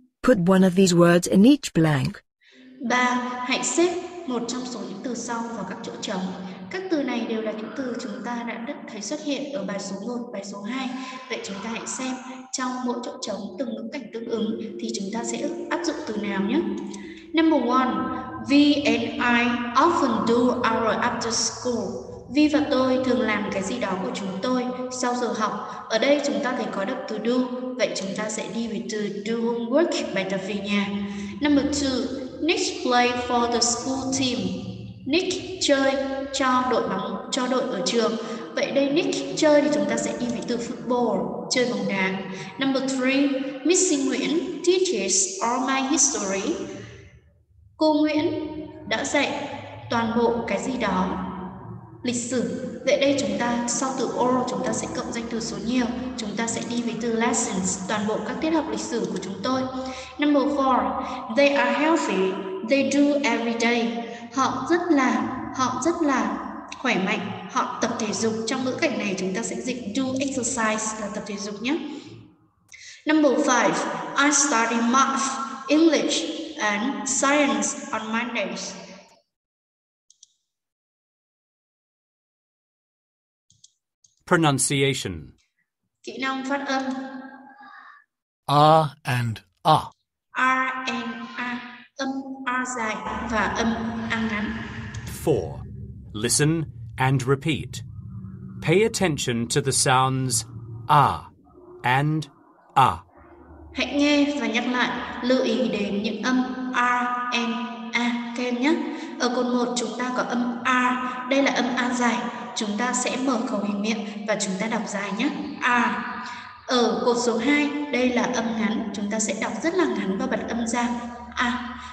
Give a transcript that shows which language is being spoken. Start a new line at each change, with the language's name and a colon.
English: Put one of these words in each blank. 3.
Vietnamese: Hãy xếp một trong số những từ sau vào các chỗ trống. Các từ này đều là những từ chúng ta đã thấy xuất hiện ở bài số 1, bài số 2. Vậy chúng ta hãy xem trong mỗi chỗ trống từng ngữ cảnh tương ứng thì chúng ta sẽ áp dụng từ nào nhé.
English: Number 1. V and I often do our after school.
Vietnamese: Vi và tôi thường làm cái gì đó của chúng tôi sau giờ học. Ở đây chúng ta thấy có động từ do, vậy chúng ta sẽ đi với từ do homework, bài tập về nhà.
English: Number 2. Nick play for the school team.
Vietnamese: Nick chơi cho đội bóng, cho đội ở trường. Vậy đây Nick chơi thì chúng ta sẽ đi với từ football, chơi bóng đá.
English: Number 3. Miss Nguyễn teaches all my history.
Vietnamese: Cô Nguyễn đã dạy toàn bộ cái gì đó lịch sử. Vậy đây chúng ta sau từ all chúng ta sẽ cộng danh từ số nhiều, chúng ta sẽ đi với từ lessons, toàn bộ các tiết học lịch sử của chúng tôi.
English: Number 4. They are healthy. They do every day.
Vietnamese: Họ rất là khỏe mạnh. Họ tập thể dục. Trong ngữ cảnh này chúng ta sẽ dịch do exercise là tập thể dục nhé.
English: Number 5. I study math, English and science on Mondays. Pronunciation.
Vietnamese: Kỹ năng phát âm.
English: A and A. A and A.
Vietnamese: Âm A dài và âm A ngắn.
English: 4. Listen and repeat. Pay attention to the sounds A and A.
Vietnamese: Hãy nghe và nhắc lại, lưu ý đến những âm
English: A and A
Vietnamese: kèm nhé. Ở cột 1 chúng ta có âm A, đây là âm A dài. Chúng ta sẽ mở khẩu hình miệng và chúng ta đọc dài nhé. A. Ở cột số 2, đây là âm ngắn. Chúng ta sẽ đọc rất là ngắn và bật âm ra. A.